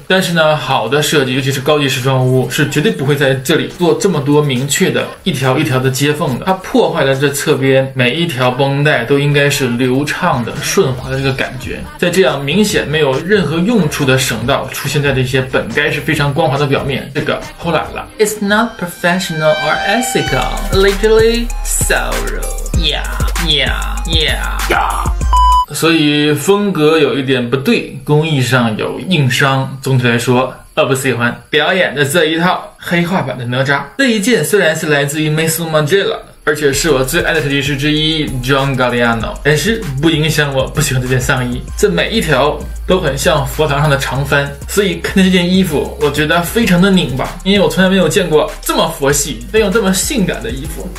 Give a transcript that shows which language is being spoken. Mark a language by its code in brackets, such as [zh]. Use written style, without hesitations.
[zh] 但是呢好的设计尤其是高级时装屋是绝对不会在这里做这么多明确的一条一条的接缝的，它破坏了这侧边每一条绷带都应该是流畅的顺滑的这个感觉，在这样明显没有任何用处的绳道出现在这些本该是非常光滑的表面，这个后来了。 [en] It's not professional or ethical, literally so rude. Yeah. [zh] 所以风格有一点不对，工艺上有硬伤，总体来说我不喜欢。表演的这一套黑化版的哪吒，这一件虽然是来自于 Miss Mangela， 而且是我最爱的设计师之一 John Galliano， 但是不影响我不喜欢这件上衣，这每一条都很像佛堂上的长幡，所以看着这件衣服我觉得非常的拧吧，因为我从来没有见过这么佛系但又这么性感的衣服。